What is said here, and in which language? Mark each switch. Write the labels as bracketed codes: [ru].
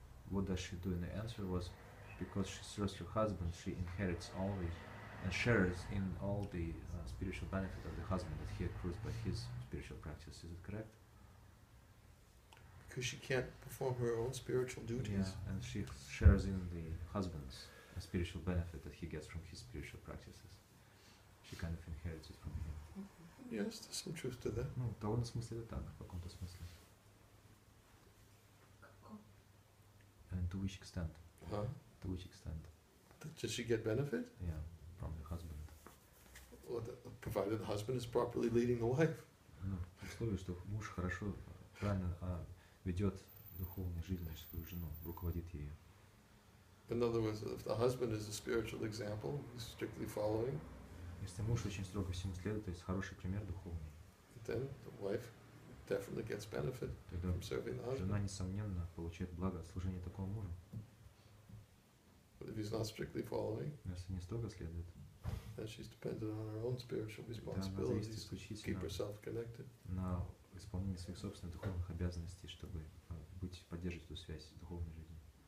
[en] What does she do? And the answer was, because she serves her husband, she inherits all the and shares in all the spiritual benefit of the husband that he accrues by his spiritual practice. Is it correct? Because she can't perform her own spiritual duties. Yeah, and she shares in the husband's spiritual benefit that he gets from his spiritual practices. She kind of inherits it from him. Yes, there's some truth to that. [ru] Ну, в том смысле это так, в каком-то смысле. [en] And to which extent? Huh? To which extent? Does she get benefit? Yeah, from the husband. Well, provided the husband is properly leading the wife. [ru] Ну, в условии, что муж хорошо, правильно ведет духовную жизнь свою жену, руководит ею. [en] In other words, if the husband is a spiritual example, he's strictly following. [ru] Если муж очень строго всему следует, то есть хороший пример духовный. [en] Then the wife definitely gets benefit from serving the husband. [ru] Жена несомненно получает благо от служения такого мужа. [en] But if he's not strictly following, [ru] если не строго следует, [en] then she's dependent on her own spiritual responsibilities to keep herself connected. [ru] На исполнение своих собственных духовных обязанностей, чтобы поддерживать эту связь с духовной жизнью.